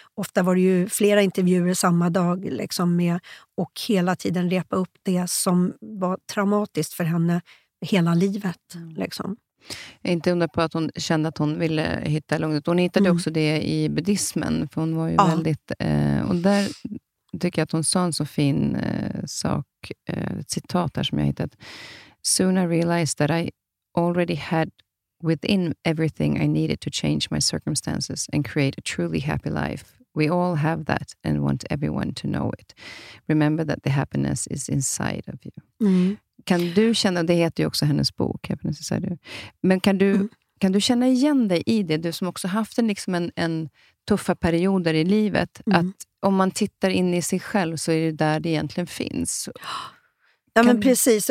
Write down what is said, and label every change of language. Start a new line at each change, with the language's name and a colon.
Swedish: Ofta var det ju flera intervjuer samma dag liksom, med, och hela tiden repa upp det som var traumatiskt för henne hela livet. Liksom. Jag är inte undra på att hon kände att hon ville hitta lugnet. Hon hittade också det i buddhismen, för hon var ju väldigt... och där tycker jag att hon sa en så fin sak, ett citat här som jag hittat.
English: Soon I realized that I already had within everything I needed to change my circumstances and create a truly happy life. We all have that and want everyone to know it. Remember that the happiness is inside of you.
Swedish: Kan du känna, det heter ju också hennes bok, Happiness Inside You. Men kan du känna igen dig i det, du som också haft en, liksom en tuffa perioder i livet, att om man tittar in i sig själv så är det där det egentligen finns. Ja, men precis.